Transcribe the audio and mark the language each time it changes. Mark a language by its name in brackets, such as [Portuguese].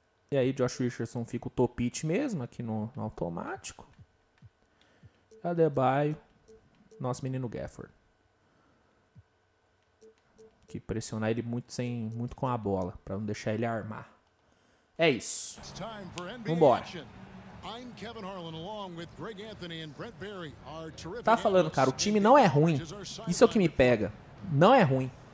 [Portuguese] E aí Josh Richardson fica o topite mesmo aqui no automático. Adebayo, nosso menino Gafford. Que pressionar ele muito com a bola, para não deixar ele armar. É isso. Vambora. [English] I'm Kevin Harlan, along with Greg Anthony and Brent Berry, our terrific. [Portuguese] Tá falando, cara, o time não é ruim. Isso é o que me pega. Não é ruim.